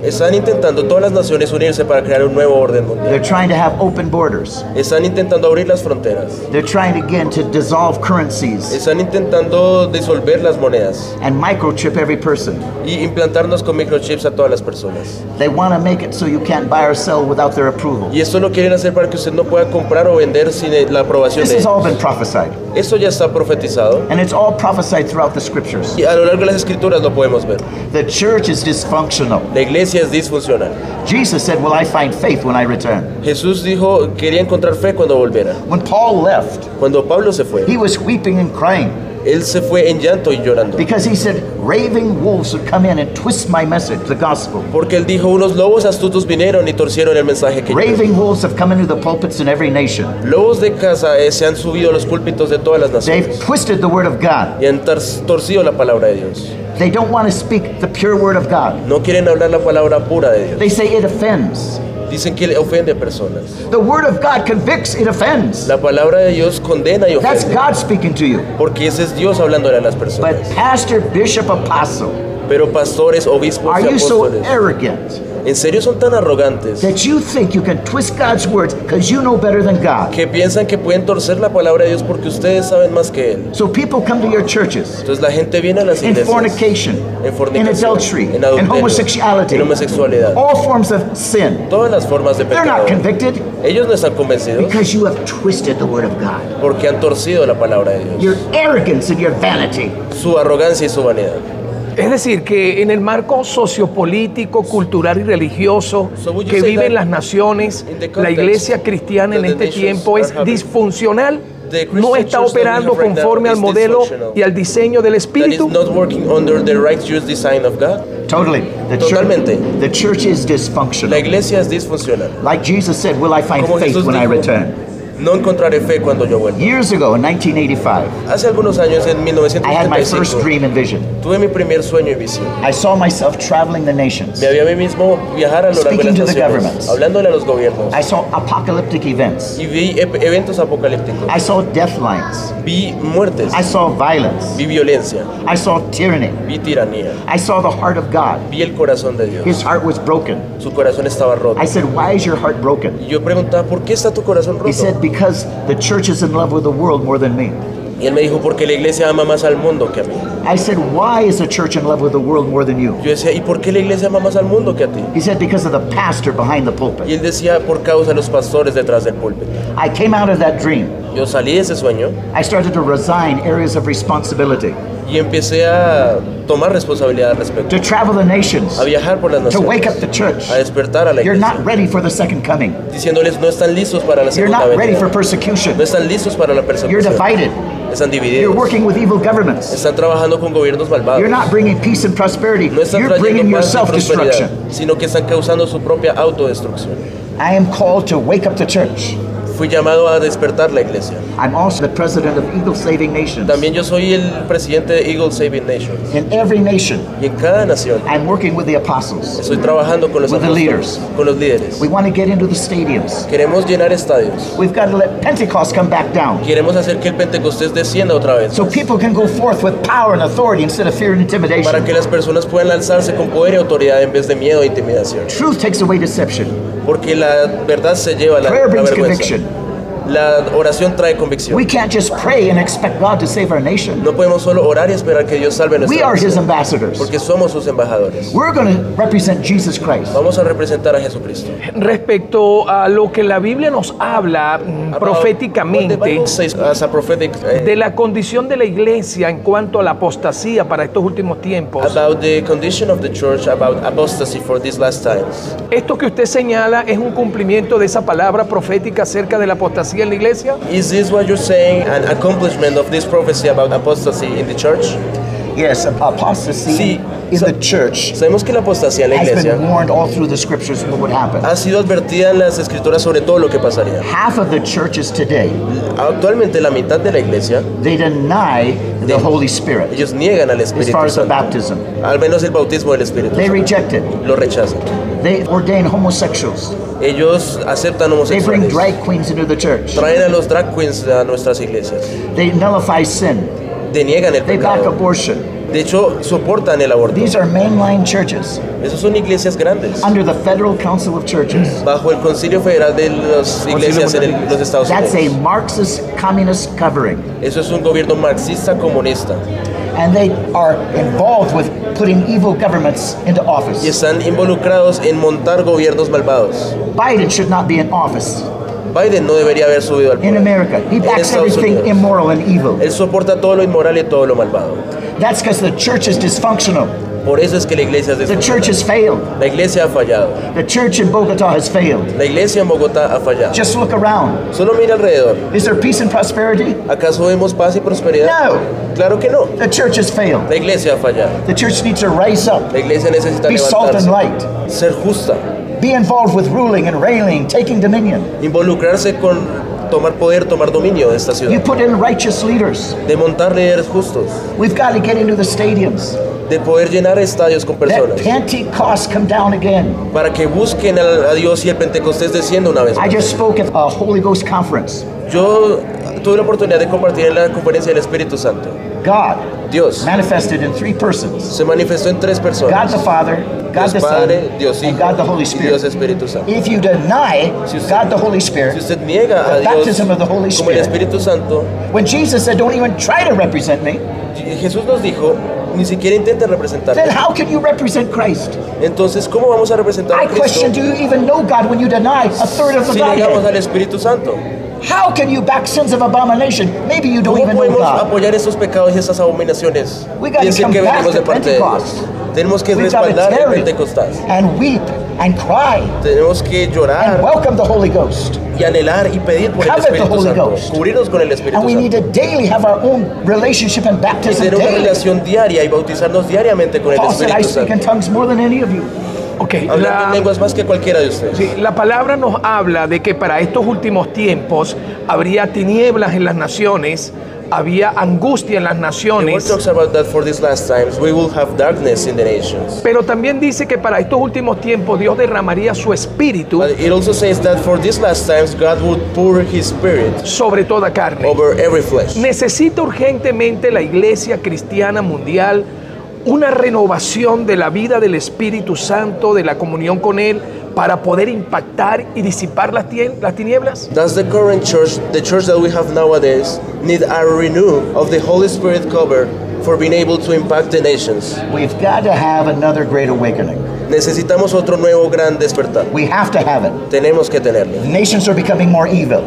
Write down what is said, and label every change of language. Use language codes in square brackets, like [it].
[es] Están intentando todas las naciones unirse para crear un nuevo orden mundial. [en] They're trying to have open borders. [es] Están intentando abrir las fronteras. [en] They're trying again to dissolve currencies. [es] Están intentando disolver las monedas. [en] And microchip every person. [es] Y implantarnos con microchips a todas las personas. [en] They want to make it so you can't buy or sell without their approval. [es] Y eso lo quieren hacer para que usted no pueda comprar o vender sin la aprobación [en] This [es] de ellos. [en] Been prophesied. [es] Eso ya está profetizado. [en] And it's all prophesied throughout the scriptures. [es] Y a lo largo de las escrituras lo podemos ver. [en] The church is dysfunctional. [es] La iglesia es disfuncional. [en] Jesus said, "Will I find faith when I return?" [es] Jesús dijo, quería encontrar fe cuando volviera. [en] When Paul left, [es] cuando Pablo se fue, [en] he was weeping and crying. [es] Él se fue en llanto y llorando. [en] Because he said, "Raving wolves would come in and twist my message, the gospel." [es] Porque él dijo, unos lobos astutos vinieron y torcieron el mensaje que. [en] Raving wolves have come into the pulpits in every nation. [es] Lobos de caza se han subido a los púlpitos de todas las naciones. [en] They've twisted the word of God. [es] Y han torcido la palabra de Dios. [en] They don't want to speak the pure word of God. [es] No quieren hablar la palabra pura de Dios. [en] They say it offends. [es] Dicen que ofende a personas. [en] The word of God convicts, it offends. [es] La palabra de Dios condena y ofende. [en] That's God speaking to you. [es] Porque ese es Dios hablándole a las personas. [en] But pastor, bishop, apostle. [es] Pero pastores, obispos, [en] Are [es] y apóstoles. [en] Are you so arrogant? [es] ¿En serio son tan arrogantes? [en] That you think you can twist God's words because you know better than God. [es] Que piensan que pueden torcer la palabra de Dios porque ustedes saben más que él. [en] So people come to your churches. [es] Entonces la gente viene a las iglesias. [en] In fornication. In adultery. [es] En adulterio. [en] In homosexuality. [es] En homosexualidad. [en] All forms of sin. [es] Todas las formas de pecado. [en] They're not convicted. [es] Ellos no están convencidos. [en] Because you have twisted the word of God. [es] Porque han torcido la palabra de Dios. [en] Your arrogance and your vanity. [es] Su arrogancia y su vanidad. Es decir, que en el marco sociopolítico, cultural y religioso que viven las naciones, la iglesia cristiana en este tiempo es disfuncional no está operando conforme al modelo y al diseño del Espíritu? [en] That is not working under the righteous design of God. Totally. [es] Totalmente. [en] The church is dysfunctional. [es] La iglesia es disfuncional. [en] Like Jesus said, will I find faith when I return? [es] No encontraré fe cuando yo vuelva. [en] Years ago, in 1985, [es] hace algunos años, en 1985, [en] I had my first dream and vision. [es] Tuve mi primer sueño y visión. [en] I saw myself traveling the nations. [es] Me vi a mí mismo viajar a las naciones, hablándole a los gobiernos. [en] I saw apocalyptic events. [es] Y vi eventos apocalípticos. [en] I saw death lines. [es] Vi muertes. [en] I saw violence. [es] Vi violencia. [en] I saw tyranny. [es] Vi tiranía. [en] I saw the heart of God. [es] Vi el corazón de Dios. [en] His heart was broken. [es] Su corazón estaba roto. [en] I said, "Why is your heart broken?" [es] Y yo preguntaba, ¿por qué está tu corazón roto? [en] He said, because the church is in love with the world more than me. [es] Y él me dijo, porque la iglesia ama más al mundo que a mí. [en] I said, why is the church in love with the world more than you? [es] Yo decía, ¿y por qué la iglesia ama más al mundo que a ti? [en] He said, because of the pastor behind the pulpit. [es] Y él decía, por causa de los pastores detrás del púlpito. [en] I came out of that dream. [es] Yo salí de ese sueño. [en] I started to resign areas of responsibility. [es] Y empecé a tomar responsabilidad al respecto. [en] To travel the nations. [es] A viajar por las naciones. [en] To wake up the church. [es] A despertar a la iglesia. [en] You're not ready for the second coming. [es] Diciéndoles, no están listos para la segunda venida. [en] You're not ready for persecution. [es] No están listos para la persecución. [en] You're divided. [es] Están divididos. [en] You're working with evil governments. [es] Están trabajando con gobiernos malvados. [en] You're not bringing peace and prosperity. [es] No están [en] You're bringing yourself destruction. [es] Sino que están causando su propia autodestrucción. [en] I am called to wake up the church. [es] Fui llamado a despertar la iglesia. [en] I'm also the president of Eagle Saving Nations. [es] También yo soy el presidente de Eagle Saving Nations. [en] In every nation. [es] Y en cada nación. [en] I'm working with the apostles. [es] Estoy trabajando con los [en] with apostles. The leaders. [es] Con los líderes. [en] We want to get into the stadiums. [es] Queremos llenar estadios. [en] We've got to let Pentecost come back down. [es] Queremos hacer que el Pentecostés descienda otra vez. [en] So people can go forth with power and authority instead of fear and intimidation. [es] Para que las personas puedan lanzarse con poder y autoridad en vez de miedo e intimidación. [en] Truth takes away deception. [es] Porque la verdad se lleva la vergüenza. [en] Prayer brings conviction. [es] La oración trae convicción. [en] We can't just pray and expect God to save our nation. [es] No podemos solo orar y esperar que Dios salve nuestra [en] nación. We are his ambassadors. [es] Porque somos sus embajadores. [en] We're going to represent Jesus Christ. [es] Vamos a representar a Jesucristo. Respecto a lo que la Biblia nos habla proféticamente de la condición de la iglesia en cuanto a la apostasía para estos últimos tiempos. [en] About the condition of the church about apostasy for these last times. [es] Esto que usted señala es un cumplimiento de esa palabra profética acerca de la apostasía. [en] Is this what you're saying, an accomplishment of this prophecy about apostasy in the church? Yes, apostasy. [es] Sí. [en] In the church, [es] sabemos que la apostasía en la iglesia [en] has been warned all through the scriptures what would happen. [es] Ha sido advertida en las escrituras sobre todo lo que pasaría. [en] Half of the churches today, [es] actualmente la mitad de la iglesia, [en] they deny the Holy Spirit. [es] Ellos niegan al Espíritu Santo. [en] As far as the baptism, [es] al menos el bautismo del Espíritu [en] Santo. They reject it. [es] Lo rechazan. [en] They ordain homosexuals. [es] Ellos aceptan homosexuales. [en] They bring drag queens into the church. [es] Traen a los drag queens a nuestras iglesias. [en] They nullify sin. [es] Deniegan el pecado. [en] They back abortion. [es] De hecho, soportan el aborto. [en] These are mainline churches. [es] Esas son iglesias grandes. [en] Under the Federal Council of Churches. [es] Bajo el Concilio Federal de las Iglesias en los Estados Unidos. [en] That's a Marxist communist covering. [es] Eso es un gobierno marxista comunista. [en] And they are involved with putting evil governments into office. [es] Y están involucrados en montar gobiernos malvados. [en] Biden should not be in office. [es] Biden no debería haber subido al poder. [en] In America, he backs everything immoral and evil. [es] Él soporta todo lo inmoral y todo lo malvado. [en] That's because the church is dysfunctional. [es] Por eso es que la iglesia es dysfunctional. [en] The church has failed. [es] La iglesia ha fallado. [en] The church in Bogotá has failed. [es] La iglesia en Bogotá ha fallado. [en] Just look around. [es] Solo mira alrededor. [en] Is there peace and prosperity? [es] ¿Acaso vemos paz y prosperidad? [en] No. [es] Claro que no. [en] The church has failed. [es] La iglesia ha fallado. [en] The church needs to rise up. [es] La iglesia necesita [en] be [es] levantarse. [en] Salt and light. [es] Ser justa. [en] Be involved with ruling and reigning, taking dominion. [es] Involucrarse con tomar poder, tomar dominio de esta ciudad. [en] You put in righteous leaders. [es] De montar líderes justos. [en] We've got to get into the stadiums. [es] De poder llenar estadios con personas. [en] Let Pentecost come down again. [es] Para que busquen a Dios y el Pentecostés descienda una vez más. [en] I just spoke at a Holy Ghost conference. [es] Yo tuve la oportunidad de compartir en la conferencia del Espíritu Santo. [en] God. [es] Dios. [en] Manifested in three persons. [es] Se manifestó en tres personas. [en] God the Father. God the [es] Padre, [en] Son, [es] Dios Hijo, [en] and God the Holy Spirit. [es] Y Dios Espíritu Santo. [en] If you deny [es] si usted, [en] God the Holy Spirit, [es] si usted niega [en] the [es] a Dios, [en] baptism of the Holy Spirit, [es] como el Espíritu Santo, [en] when Jesus said, don't even try to represent me, [es] Jesús nos dijo, ni siquiera intente representarme. [en] Then how can you represent Christ? [es] Entonces, ¿cómo vamos a representar a Cristo? [en] I question, do you even know God when you deny a third of the [es] Godhead? Si negamos al Espíritu Santo. [en] How can you back sins of abomination? Maybe you don't even know God. [es] ¿Cómo podemos apoyar esos pecados y esas abominaciones? [en] We got to come back to Pentecost. [es] Tenemos que respaldar el Pentecostal. [en] And weep and cry. [es] Tenemos que llorar. [en] And welcome the Holy Ghost. [es] y anhelar y pedir por el Espíritu Santo, cubrirnos con el Espíritu Santo. [en] And we need to daily have our own relationship and baptism daily. [es] Tener una relación diaria y bautizarnos diariamente con el Espíritu Santo. [en] I speak in tongues more than any of you. Okay, [es] hablando en lenguas más que cualquiera de ustedes. Sí, la palabra nos habla de que para estos últimos tiempos habría tinieblas en las naciones, había angustia en las naciones. [en] It talks about that for these last times we will have darkness in the nations. [es] Pero también dice que para estos últimos tiempos Dios derramaría su espíritu. [en] But it also says that for these last times God would pour his spirit [es] sobre toda carne. [en] Over every flesh. [es] Necesita urgentemente la iglesia cristiana mundial una renovación de la vida del Espíritu Santo, de la comunión con Él, para poder impactar y disipar las tinieblas. [en] Does the current church, the church that we have nowadays, need a renew of the Holy Spirit cover for being able to impact the nations? We've got to have another great awakening. [es] Necesitamos otro nuevo gran despertar. [en] We have to have it. [es] Tenemos que tenerlo. [en] Nations are becoming more evil.